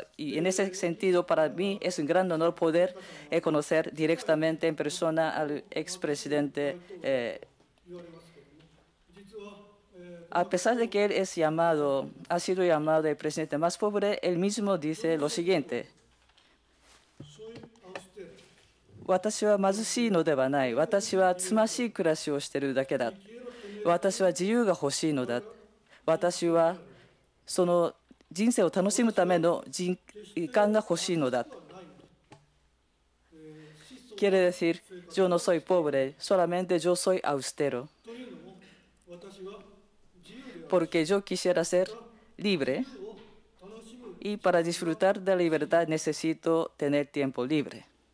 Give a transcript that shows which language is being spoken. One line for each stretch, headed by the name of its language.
Spanish: Y en ese sentido, para mí es un gran honor poder conocer directamente en persona al expresidente. A pesar de que él ha sido llamado el presidente más pobre, él mismo dice lo siguiente.
Japanese: 私は貧しいのではない。私はつましい暮らしをしているだけだ。私は自由が欲しいのだ。私はその人生を楽しむための時間が欲しいのだ。
Spanish: Quiere decir, yo no soy pobre, solamente yo soy austero. Porque yo quisiera ser libre y para disfrutar de la libertad necesito tener tiempo libre.